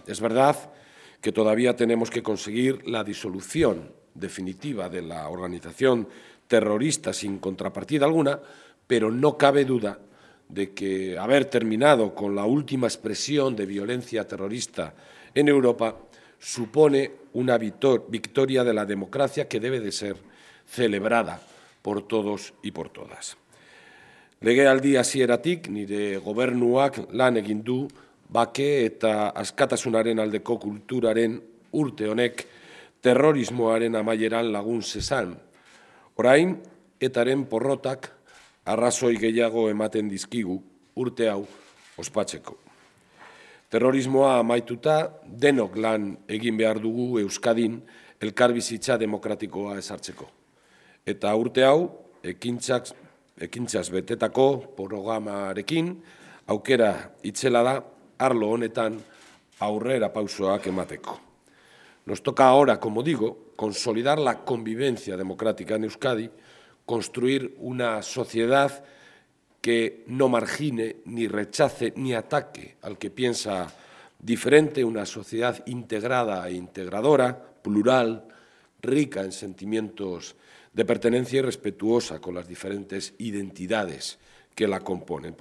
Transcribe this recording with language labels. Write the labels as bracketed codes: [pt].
[es] Es verdad que todavía tenemos que conseguir la disolución definitiva de la organización terrorista sin contrapartida alguna, pero no cabe duda de que haber terminado con la última expresión de violencia terrorista en Europa supone una victoria de la democracia que debe de ser celebrada por todos y por todas. [eu] Legealdi hasieratik, nire gobernuak lan egin du bake eta askatasunaren aldeko kulturaren urte honek terrorismoaren amaieran lagun zezan. Orain, etaren porrotak arrazoi gehiago ematen dizkigu urte hau ospatzeko. Terrorismoa amaituta, denok lan egin behar dugu Euskadin elkarbizitza demokratikoa ezartzeko. Eta urte hau, ekintzaz betetako programarekin, aukera itzela da, arlo honetan aurrera pausoak emateko. [es] Nos toca ahora, como digo, consolidar la convivencia democrática en Euskadi, construir una sociedad que no margine, ni rechace, ni ataque al que piensa diferente, una sociedad integrada e integradora, plural, rica en sentimientos de pertenencia y respetuosa con las diferentes identidades que la componen.